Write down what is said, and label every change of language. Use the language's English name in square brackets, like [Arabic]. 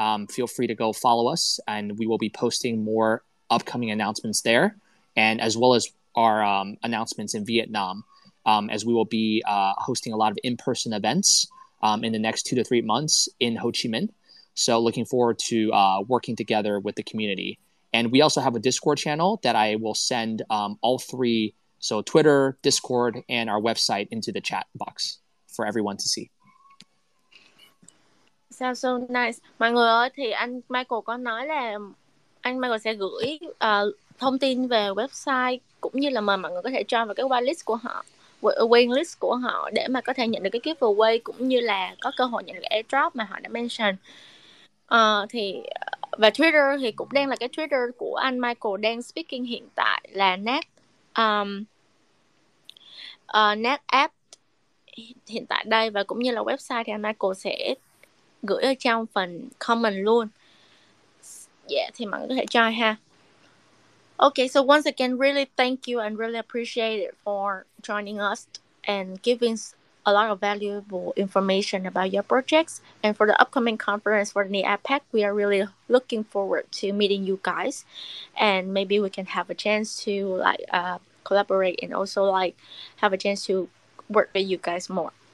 [English] Feel free to go follow us, and we will be posting more upcoming announcements there, and as well as our announcements in Vietnam, as we will be hosting a lot of in-person events in the next 2 to 3 months in Ho Chi Minh. So looking forward to working together with the community. And we also have a Discord channel that I will send all three, so Twitter, Discord, and our website into the chat box for everyone to see. Sao so nice. [Vietnamese] Mọi người ơi, thì anh Michael có nói là anh Michael sẽ gửi thông tin về website cũng như là mời mọi người có thể join vào cái whitelist của họ, whitelist của họ để mà có thể nhận được cái giveaway cũng như là có cơ hội nhận được airdrop mà họ đã mention. Thì và Twitter thì cũng đang là cái Twitter của anh Michael đang speaking hiện tại là Knaq Knaq app hiện tại đây, và cũng như là website thì anh Michael sẽ gửi ở trong phần comment luôn. Yeah, thì mọi người có thể join ha. [English] Okay, so once again, really thank you and really appreciate it for joining us and giving a lot of valuable information about your projects. And for the upcoming conference for the APEC, we are really looking forward to meeting you guys. And maybe we can have a chance to like collaborate and also like have a chance to work with you guys more.